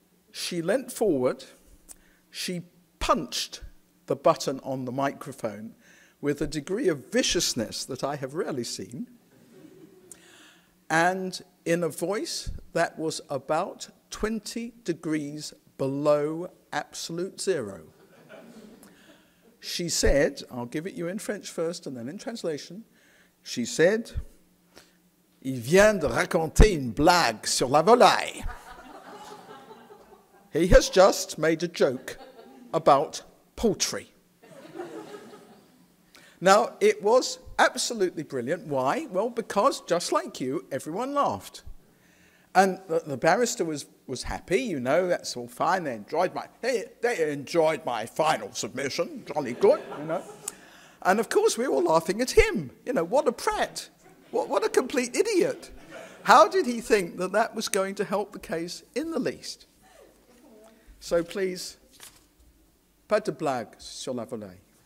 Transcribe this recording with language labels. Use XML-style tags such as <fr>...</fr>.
<en>She leant forward, she punched the button on the microphone with a degree of viciousness that I have rarely seen, and in a voice that was about 20 degrees below absolute zero. She said, I'll give it you in French first and then in translation. She said,</en> <fr>il vient de raconter une blague sur la volaille.</fr> <en>He has just made a joke about poultry. Now, it was absolutely brilliant. Why? Well, because just like you, everyone laughed. And the barrister was happy, you know, that's all fine. They enjoyed my final submission, jolly good, you know. And of course, we were laughing at him. You know, what a prat. What a complete idiot. How did he think that that was going to help the case in the least? So please,</en> <fr>pas de blague sur la volée.</fr>